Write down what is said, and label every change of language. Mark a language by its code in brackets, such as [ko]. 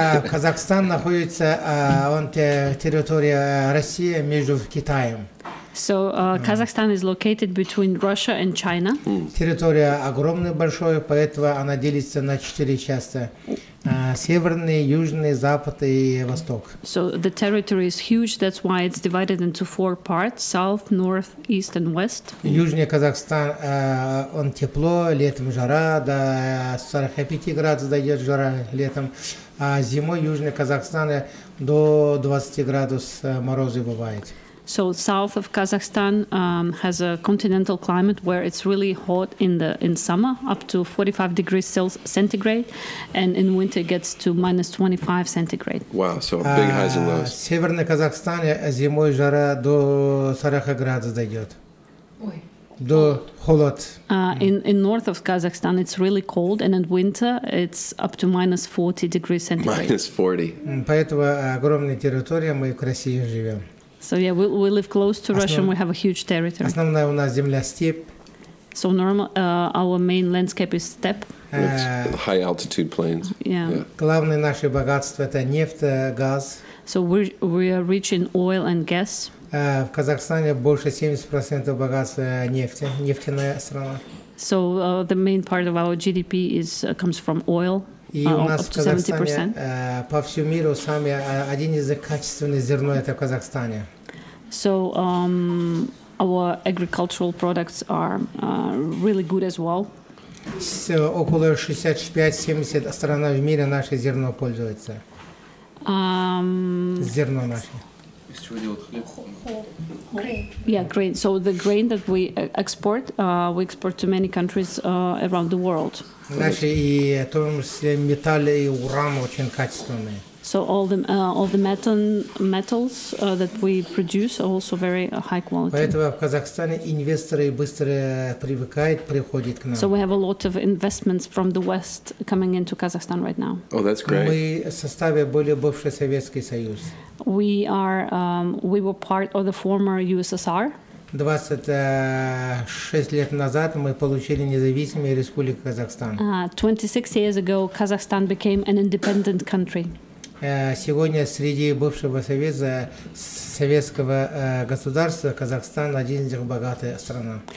[ru] Казахстан находится он территория России между Китаем. [en] So Kazakhstan is located between Russia and China. [ru] Территория огромная, большая, поэтому она делится на четыре части: северный, южный, запад и восток. [en] So the territory is huge. That's why it's divided into four parts: south, north, east, and west. [ru] Южный Казахстан, он тепло, летом жара, до 45 градусов дает жара летом. А зимой южный Казахстан до 20 градусов морозы бывает. [en] So south of Kazakhstan has a continental climate where it's really hot in summer, up to 45 degrees centigrade, and in winter it gets to minus 25 centigrade. Wow, so big highs and lows. [ru] Северный Казахстан зимой жара до 40 градусов дойдет. До холод. [en] In north of Kazakhstan it's really cold, and in winter it's up to minus 40 degrees centigrade. Minus 40. [ru] Поэтому огромная территория, мы в России живем. [en] So yeah, we live close to Russia, and we have a huge territory. [ru] Основная у нас земля степь. [en] So normal, our main landscape is steppe. High altitude plains. Yeah. [ru] Главное наше богатство это нефть, газ. [en] So we are rich in oil and gas. [ru] В Казахстане больше 70% богатства нефти, нефтяная страна. [en] So the main part of our GDP is comes from oil. [ru] И у нас в Казахстане по всему миру самый один из качественных зерно это в Казахстане. [en] So our agricultural products are really good as well. [ru] Около 65-70 стран в мире наше зерно пользуется. Зерно наше. [en] Yeah, grain. So the grain that we export to many countries around the world. [ru] Наши и то, что металл и уран очень качественные. [en] So all the metals that we produce are also very high quality. [ru] Поэтому в Казахстане инвесторы быстро привыкают, приходят к нам. [en] So we have a lot of investments from the West coming into Kazakhstan right now. Oh, that's great. [ru] Мы в составе более бывший Советский Союз. [en] We are we were part of the former USSR. [ru] 26 лет назад мы получили независимую республику Казахстан. [en] 26 years ago, Kazakhstan became an independent country. [ru] Сегодня среди бывшего советского государства Казахстан один из самых богатых стран.